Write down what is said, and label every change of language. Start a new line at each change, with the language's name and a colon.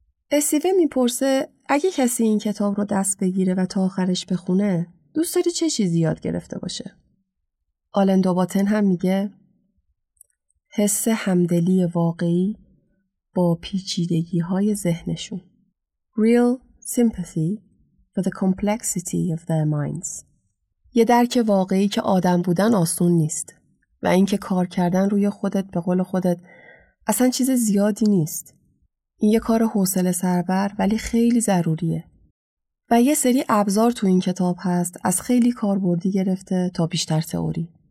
Persian: استیوه میپرسه اگه کسی این کتاب رو دست بگیره و تا آخرش بخونه، دوست داری چه چیزی یاد گرفته باشه؟ آلن دوباتن هم میگه حس همدلی واقعی با پیچیدگی های ذهنشون.
English: Real sympathy for the complexity of their minds.
Persian: یه درک واقعی که آدم بودن آسون نیست و اینکه کار کردن روی خودت به قول خودت اصلا چیز زیادی نیست. این یه کار حوصله سربر ولی خیلی ضروریه. و یه سری ابزار تو این کتاب هست، از خیلی کاربردی گرفته تا بیشتر تئوری.